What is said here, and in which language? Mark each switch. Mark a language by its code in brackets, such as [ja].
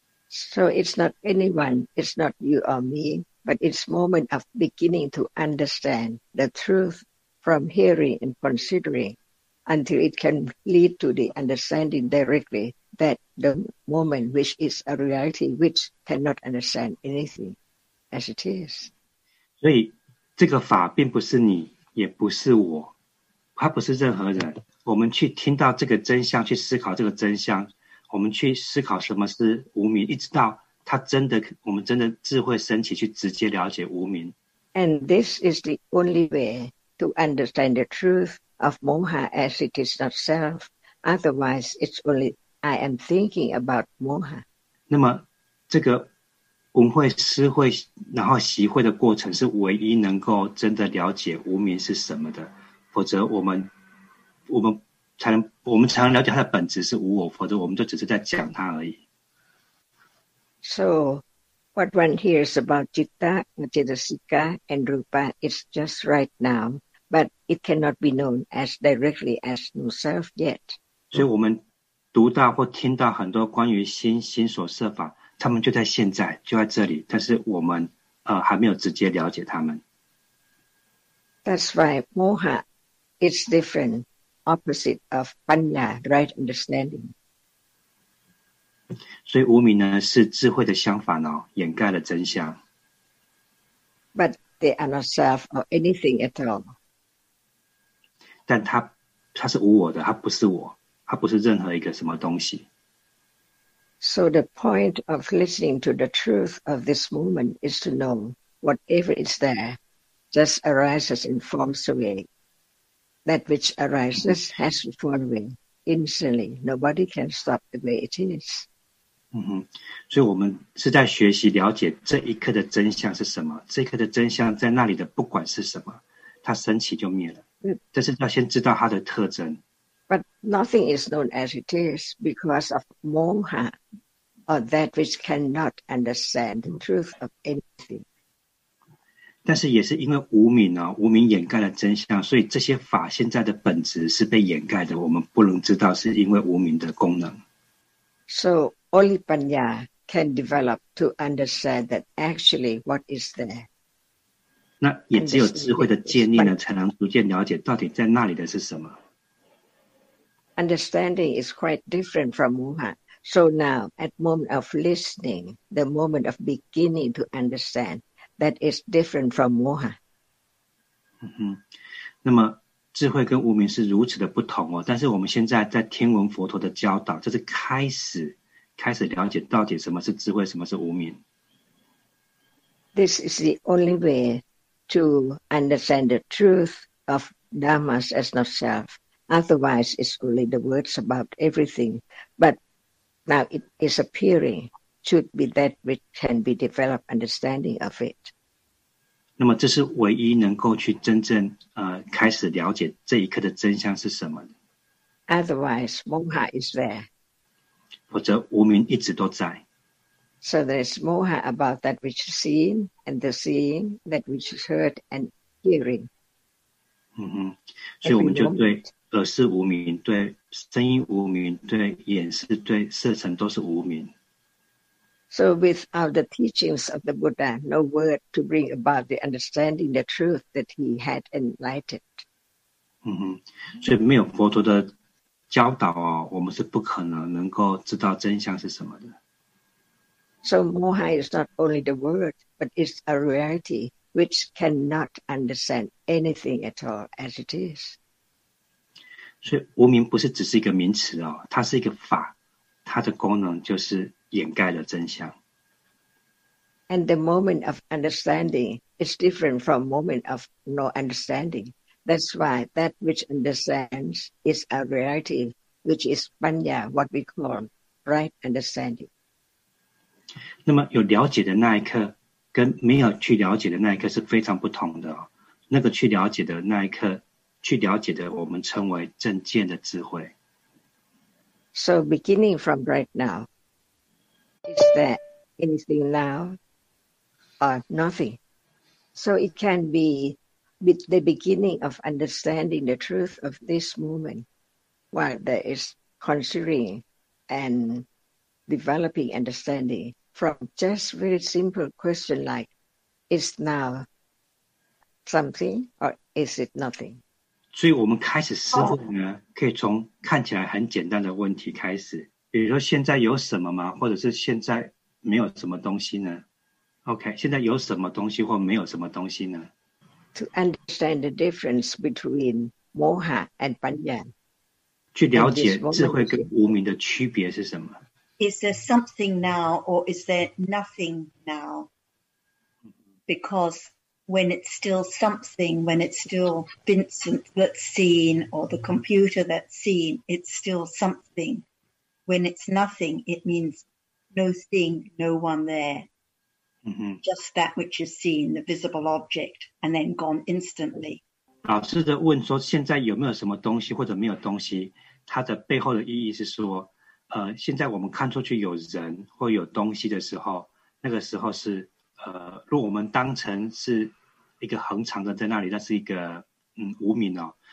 [en] So it's not anyone, it's not you or me, but it's moment of beginning to understand the truth from hearing and considering until it can lead to the understanding directly that the moment which is a reality which cannot understand anything as it is. [zh] 所以这个法并不是你也不是我，他不是任何人。我们去听到这个真相，去思考这个真相，我们去思考什么是无明，一直到他真的，我们真的智慧升起，去直接了解无明。 [en] And this is the only way to understand the truth of moha as it is not self. Otherwise, it's only I am thinking about moha. [zh] 那么这个闻慧思慧然后习慧的过程是唯一能够真的了解无明是什么的，否则我们才能了解它的本质是无我，否则我们就只是在讲它而已。 [en] So what one hears about citta, cittasika and rupa is just right now, but it cannot be known as directly as no self yet. [zh] 所以我们读到或听到很多关于心所设法，他们就在现在，就在这里，但是我们还没有直接了解他们。 [en] That's why moha is different, opposite of panya, right understanding. [zh] 所以无明呢是智慧的相反哦，掩盖了真相。 [en] But they are not self or anything at all. [zh] 但它是无我的，它不是我，它不是任何一个什么东西。 [en] So the point of listening to the truth of this moment is to know whatever is there just arises and forms away. That which arises has to fall away instantly. Nobody can stop the way it is. [zh] 所以我们是在学习了解这一刻的真相是什么，这一刻的真相在那里的不管是什么，它升起就灭了，但是要先知道它的特征。 [en] But nothing is known as it is because of moha, or that which cannot understand the truth of anything. [zh] 但是也是因为无明啊，无明掩盖了真相，所以这些法现在的本质是被掩盖的，我们不能知道，是因为无明的功能。 [en] So only panya can develop to understand that actually what is there. [zh] 那也只有智慧的建立呢，才能逐渐了解到底在那里的是什么。 [en] Understanding is quite different from moha. So now, at moment of listening, the moment of beginning to understand, that is different from moha. [zh] 那么智慧跟无明是如此的不同哦。但是我们现在在听闻佛陀的教导，这是开始了解到底什么是智慧，什么是无明。 [en] This is the only way to understand the truth of dhammas as not self. Otherwise, it's only the words about everything. But now it is appearing, should be that which can be developed understanding of it. [zh] 那么这是唯一能够去真正开始了解这一刻的真相是什么。 [en] Otherwise, moha is there. [zh] 否则无明一直都在。 [en] So there's moha about that which is seen, and the seeing, that which is heard and hearing. [zh] 所以我们就对耳是无明，对声音无明，对眼是，对色尘都是无明。 [en] So without the teachings of the Buddha, no word to bring about the understanding the truth that he had enlightened. [zh] 所以没有佛陀的教导啊，我们是不可能能够知道真相是什么的。 [en] So moha is not only the word, but it's a reality which cannot understand anything at all as it is. [zh] 所以无明不是只是一个名词哦，它是一个法，它的功能就是掩盖了真相。 [en] And the moment of understanding is different from moment of no understanding. That's why that which understands is a reality, which is panya, what we call right understanding. [zh] 那么有了解的那一刻跟没有去了解的那一刻是非常不同的、哦、那个去了解的那一刻去了解的我们称为正见的智慧。 [en] So beginning from right now, is that anything now? Or nothing. So it can be with the beginning of understanding the truth of this moment while there is considering and developing understanding from just very simple question like, is now something or is it nothing? [zh] 所以我们开始思考呢、oh. 可以从看起来很简单的问题开始，比如说现在有什么吗？或者是现在没有什么东西呢？OK, 现在有什么东西或没有什么东西呢? [en] To understand the difference between moha and panya. [zh] 去了解智慧跟无明的区别是什么? [en] Is there something now or is there nothing now? Because when it's still something, when it's still Vincent that's seen or the computer that's seen, it's still something. When it's nothing, it means no thing, no one there. Just that which is seen, the visible object, and then gone instantly. [zh] 老师的问说现在有没有什么东西或者没有东西，它的背后的意义是说，现在我们看出去有人或有东西的时候，那个时候是，如果我们当成是一个恒常的在那里，那是一个无明哦。